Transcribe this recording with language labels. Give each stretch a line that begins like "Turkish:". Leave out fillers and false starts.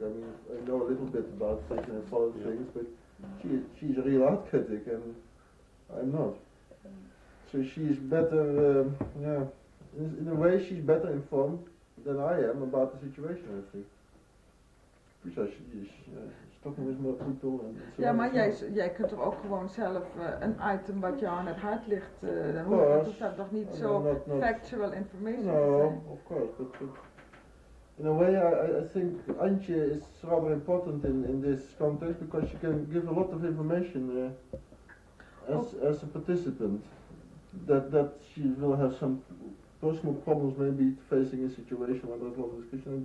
English: I mean, I know a little bit about fashion and follow things, but she's a real art critic, and I'm not. So she's better. In a way, she's better informed than I am about the situation, I think. Because she's talking with more people and so on.
Dutch: Maar jij kunt er ook gewoon zelf een item wat jou aan het hart ligt, dan hoeft dat toch niet zo
English: factual information no,
Dutch: te zijn?
English: No, of course, but in a way I think Antje is rather important in this context because she can give a lot of information as a participant that she will have some personal problems, maybe facing a situation like that long discussion.